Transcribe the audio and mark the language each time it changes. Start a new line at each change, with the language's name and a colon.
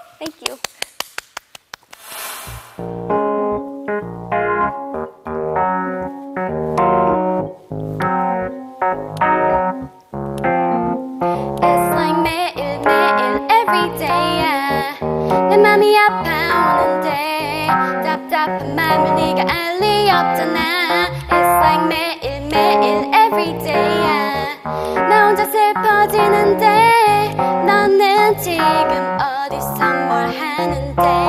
English: Thank you. It's like
Korean: 매일 매일
English: every day, yeah.
Korean: 내 맘이 아파 오는데 답답한 맘을 네가 알 리 없잖아.
English: It's like
Korean: 매일 매일
English: every day, yeah.
Korean: 나 혼자 슬퍼지는데 너는 지금 어디서 뭘 하는데.